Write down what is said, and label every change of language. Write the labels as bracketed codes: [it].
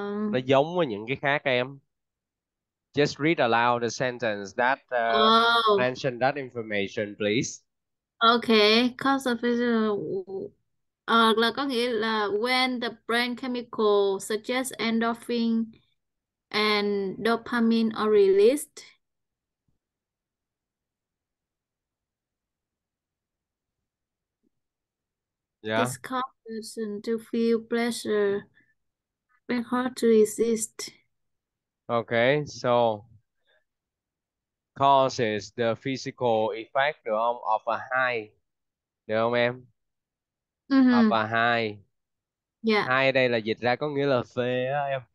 [vi] Nó giống với những cái khác em. [en] Just read aloud the sentence that mention that information please. Okay, cause of [vi] là có nghĩa là [en] when the brain chemical suggests endorphin and dopamine are released. Yeah. This causes person to feel pleasure and hard to resist. Okay, so causes the physical effect [vi] được không? [en] Of a high. [vi] Được không em? [en] Of a high. [vi] High đây là dịch ra có nghĩa là phê á em.